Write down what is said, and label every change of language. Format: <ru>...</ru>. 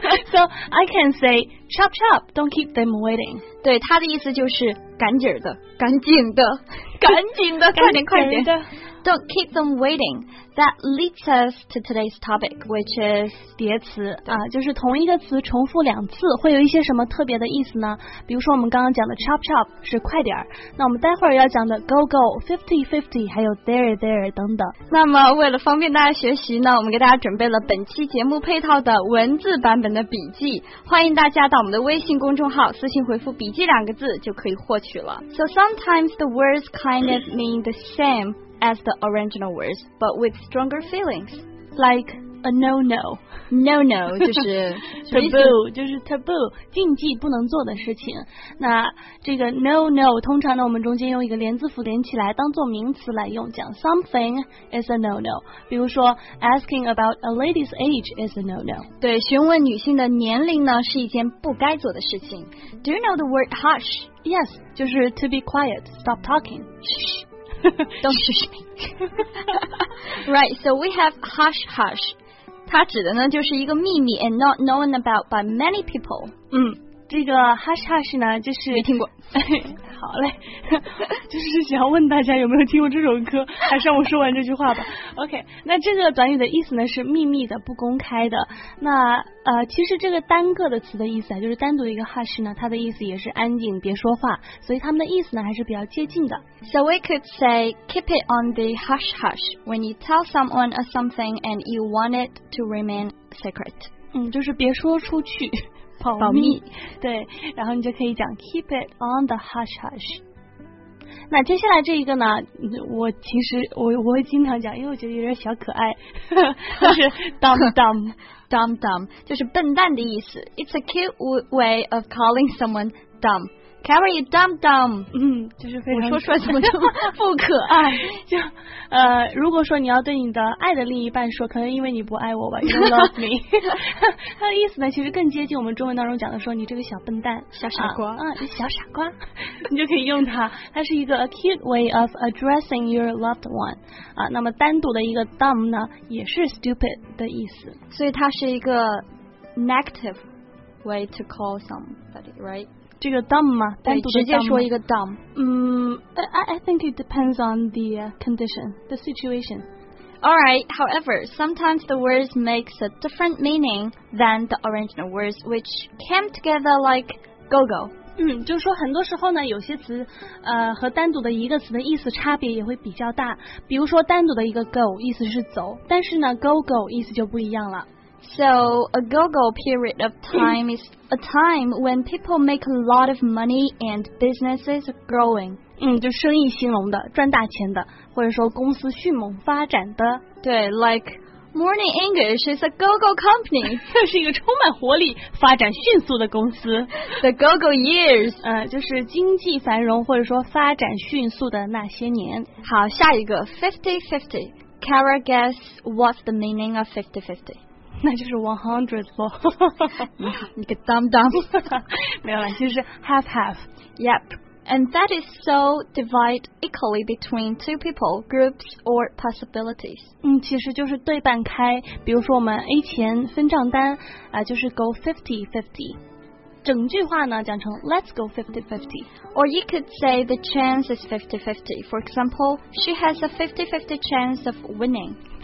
<en>So I can say chop chop, don't keep them waiting.</en> <zh>对，它的意思就是赶紧的，赶紧的，赶紧的，快点，快点的。</zh> <en>Don't keep them waiting. That leads us to today's topic, which is</en> <zh>叠词啊，就是同一个词重复两次会有一些什么特别的意思呢？比如说我们刚刚讲的 chop chop 是快点，那我们待会儿要讲的 go go, 50-50, 还有 there there 等等。那么为了方便大家学习呢，我们给大家准备了本期节目配套的文字版本的笔记，欢迎大家到我们的微信公众号私信回复笔记两个字就可以获取了。</zh> <en>So sometimes the words kind of mean the sameas the original words, but with stronger feelings. Like a no-no.</en> <zh>No-no, 就是 taboo, 就是taboo, 禁忌不能做的事情。那这个 no-no, 通常呢我们中间用一个连字符连起来当做名词来用，讲</zh> <en>something is a no-no.</en> <zh>比如说</zh> <en>asking about a lady's age is a no-no.</en> <zh>对，询问女性的年龄呢是一件不该做的事情。</zh> <en>Do you know the word hush? Yes,</en> <zh>就是</zh> <en>to be quiet, stop talking. Shh. Don't shush me. Right, so we have hush hush.</en> <zh>它指的呢就是一个秘密</zh> <en>and not known about by many people.</en> <zh>这个 hush hush 呢就是没听过。好嘞，就是想要问大家有没有听过这首歌，还是让我说完这句话吧。 OK, 那这个短语的意思呢是秘密的，不公开的。那其实这个单个的词的意思啊，就是单独一个 hush 呢，它的意思也是安静，别说话，所以它们的意思呢还是比较接近的。</zh> <en>So we could say keep it on the hush hush when you tell someone or something and you want it to remain secret.</en> <zh>就是别说出去，保密。对，然后你就可以讲</zh> <en>keep it on the hush hush。</en> <zh>那接下来这一个呢，我其实我会经常讲，因为我觉得有点小可爱。就是 dumb dumb dumb dumb, 就是笨蛋的意思。</zh> <en>It's a cute way of calling someone dumb. Carry you dumb dumb.</en> <zh>就是非常我说出来怎么这么不可爱。就如果说你要对你的爱的另一半说，可能因为你不爱我吧，</zh> <en>you love me.</en> <zh>它的意思呢其实更接近我们中文当中讲的说你这个小笨蛋，小傻瓜，小傻瓜。你就可以用它，它是一个</zh> <en>a cute way of addressing your loved one.</en> <zh>那么单独的一个 dumb 呢也是 stupid 的意思，所以它是一个</zh> <en>negative way to call somebody, right?</en> <zh>这个 dumb 吗？单独的 dumb? 直接说一个 dumb。</zh> <en>I think it depends on the condition, the situation. Alright, however, sometimes the words makes a different meaning than the original words, which came together like go-go.</en> <zh>就是说很多时候呢，有些词和单独的一个词的意思差别也会比较大。比如说单独的一个 go, 意思是走，但是呢 go-go 意思就不一样了。</zh> <en>So, a go-go period of time is a time when people make a lot of money and businesses are growing.</en> <zh>就生意兴隆的，赚大钱的，或者说公司迅猛发展的。对，</zh> <en>like Morning English is a go-go company.</en> <zh>这是一个充满活力，发展迅速的公司。</zh> <en>The go-go years.</en> <zh>就是经济繁荣或者说发展迅速的那些年。好，下一个</zh> <en>50-50. Kara, guess what's the meaning of 50-50?</en> <zh>那就是 100 for 你个 dumb dumb. 没有了，就是</zh> <en>half half. Yep. And that is so divide equally between two people, groups or possibilities.</en> <zh>其实就是对半开，比如说我们 A 钱分账单就是</zh> <en>go 50-50.</en> <zh>整句话呢讲成</zh> <en>let's go 50-50. Or you could say the chance is 50-50. For example, she has a 50-50 chance of winning.</en>